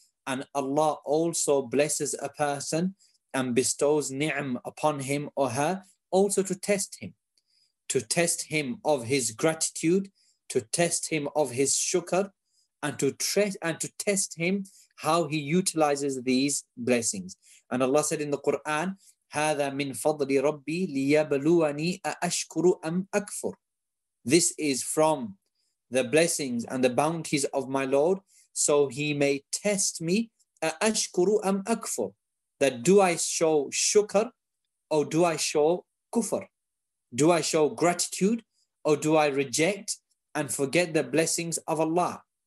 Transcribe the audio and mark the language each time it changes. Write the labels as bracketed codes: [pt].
[en] And Allah also blesses a person and bestows ni'm upon him or her also to test him of his gratitude, to test him of his shukr, and to test him how he utilizes these blessings. And Allah said in the Quran, [ar] هَذَا مِنْ فَضْلِ رَبِّي لِيَبْلُوَنِي أَأَشْكُرُ أَمْ أَكْفُرُ. [en] This is from the blessings and the bounties of my Lord, so He may test me, [ar] أَأَشْكُرُ أَمْ أَكْفُرُ, [en] that do I show shukr or do I show kufr? Do I show gratitude or do I reject and forget the blessings of Allah?